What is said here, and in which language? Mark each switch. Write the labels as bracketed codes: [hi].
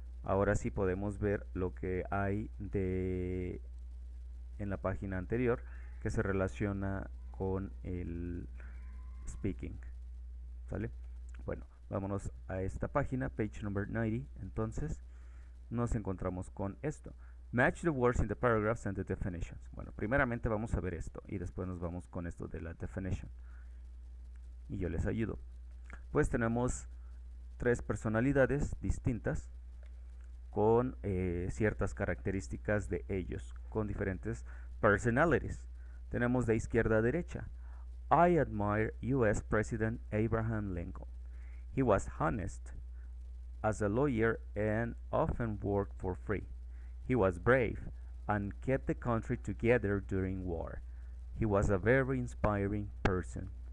[es] Ahora sí podemos ver lo que hay de en la página anterior que se relaciona con el speaking. ¿Sale? Bueno, vámonos a esta página, page number 90. Entonces, nos encontramos con esto. [en] Match the words in the paragraphs and the definitions. [es] Bueno, primeramente vamos a ver esto y después nos vamos con esto de la definition. Y yo les ayudo. Pues tenemos tres personalidades distintas con ciertas características de ellos, con diferentes personalities. Tenemos de izquierda a derecha. [en] I admire U.S. President Abraham Lincoln. He was honest as a lawyer and often worked for free. He was brave and kept the country together during war. He was a very inspiring person.